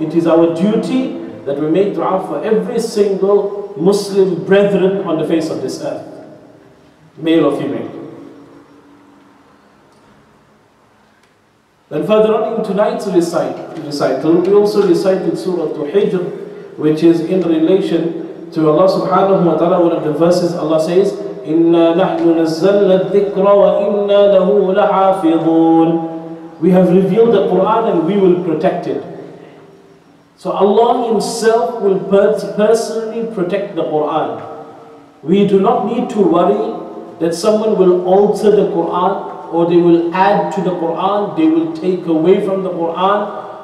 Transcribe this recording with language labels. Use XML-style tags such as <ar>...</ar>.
<en>It is our duty that we make dua for every single Muslim brethren on the face of this earth, male or female. And further on in tonight's recital, we also recited Surah Al-Hijr, which is in relation to Allah subhanahu wa ta'ala. One of the verses Allah says,</en> <ar>إِنَّا نَحْنُ نَزَّلَّ الذِّكْرَ وَإِنَّا لَهُ لَحَافِظُونَ.</ar> <en>We have revealed the Quran and we will protect it. So Allah Himself will personally protect the Quran. We do not need to worry that someone will alter the Quran, or they will add to the Quran, they will take away from the Quran.</en>